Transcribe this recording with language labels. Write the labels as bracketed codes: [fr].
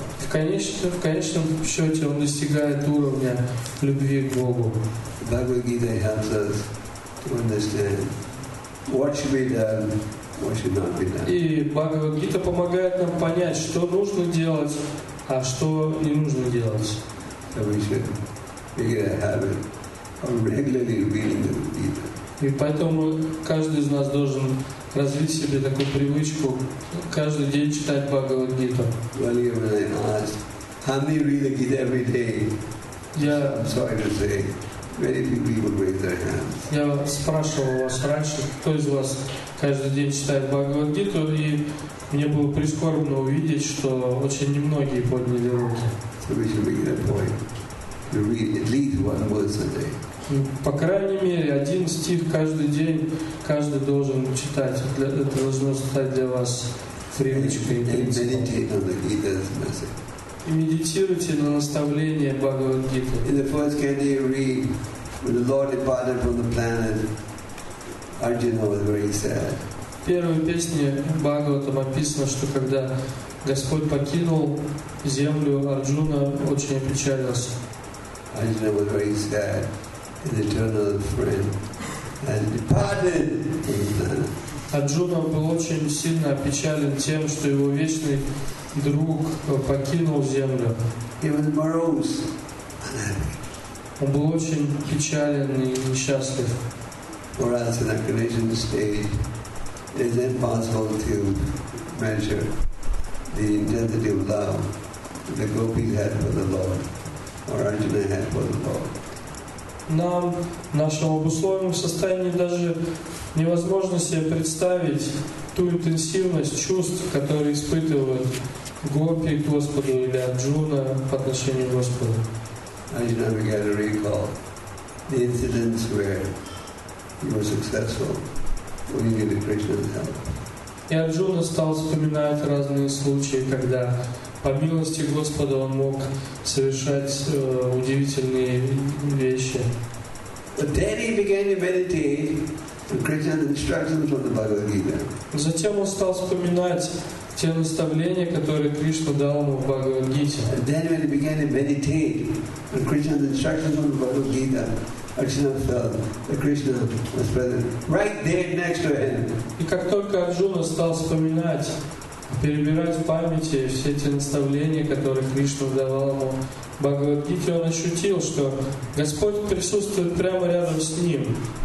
[ru] В конечном счете он достигает уровня любви к Богу. [en] Bhagavad Gita helps us to understand what should be done, what should not be done. [ru] И Бхагавад Гита помогает нам понять, что нужно делать, а что не нужно делать. [en] So we should make it a habit of regularly reading the Gita. [ru] И поэтому каждый из нас должен развить себе такую привычку каждый день читать Бхагавад Гиту. [en] Well, you know, I asked, how many read the Gita every day? Yeah. I'm sorry to say. Many people raise their hands. [ru] Я спрашивал вас раньше, кто из вас каждый день читает Бхагавад-гиту, и мне было прискорбно увидеть, что очень немногие подняли руки. [en] So we should make it a point to read at least one verse a day. [ru] По крайней мере, один стих каждый день каждый должен читать. Это должно стать для вас привычкой. [en] Meditate on the Gita's message. [ru] И медитируйте на наставление Бхагавад-гиты. [en] In the first canto you read, when the Lord departed from the planet, Arjuna was very sad. [ru] В первой песне Бхагаватам описано, что когда Господь покинул землю, Арджуна очень опечалился. [en] Arjuna was very sad. His eternal friend has departed from the planet. [ru] Арджуна был очень сильно опечален тем, что его вечный друг покинул землю. [en] He was morose. [ru] Он был очень печален и несчастлив. [en] For us in a conditioned state, it is impossible to measure the intensity of love that the gopis had for the Lord or Arjuna had for the Lord. [ru] Нам, нашему обусловленному состоянию, даже невозможно себе представить ту интенсивность чувств, которые испытывают гопи к Господу или Арджуна по отношению к Господу. [en] Arjuna began to recall the incidents where he was successful when he needed Krishna's help. [ru] И Арджуна стал вспоминать разные случаи, когда по милости Господа он мог совершать удивительные вещи. [en] But then he began to meditate on Krishna's instructions from the Bhagavad Gita. [ru] Затем он стал вспоминать те наставления, которые Кришна дал ему в Бхагавад Гите. [en] And then when he began to meditate on Krishna's instructions from the Bhagavad Gita, Arjuna felt that Krishna was present right there next to him. [ru] И как только Арджуна стал вспоминать, перебирать в памяти все те наставления, которые Кришна давал ему в Бхагавад-гите, он ощутил, что Господь присутствует прямо рядом с ним.